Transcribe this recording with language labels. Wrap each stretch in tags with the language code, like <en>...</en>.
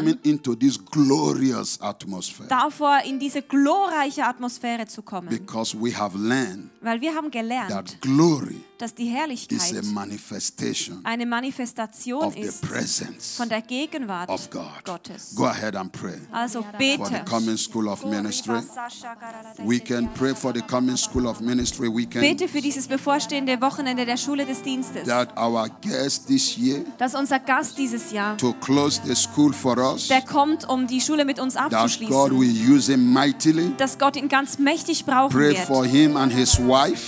<en>coming into this glorious atmosphere,</en> <de>davor in diese glorreiche Atmosphäre zu kommen,</de> <en>because we have learned,</en> <de>weil wir haben gelernt,</de> <en>that glory,</en> <de>dass die Herrlichkeit eine Manifestation ist von der Gegenwart Gottes.</de> <en>Go ahead and pray.</en> <de>Also bete.</de> <en>For the coming school of ministry. We can pray for the coming school of ministry. We can</en> <de>bete für dieses bevorstehende Wochenende der Schule des Dienstes.</de> <en>That our guest this year,</en> <de>dass unser Gast dieses Jahr</de> <en>to close the school for us,</en> <de>der kommt, um die Schule mit uns abzuschließen.</de> <en>That God will use him mightily.</en> <de>Dass Gott ihn ganz mächtig brauchen</de> <en>pray</en> <de>wird.</de> <en>For him and his wife,</en>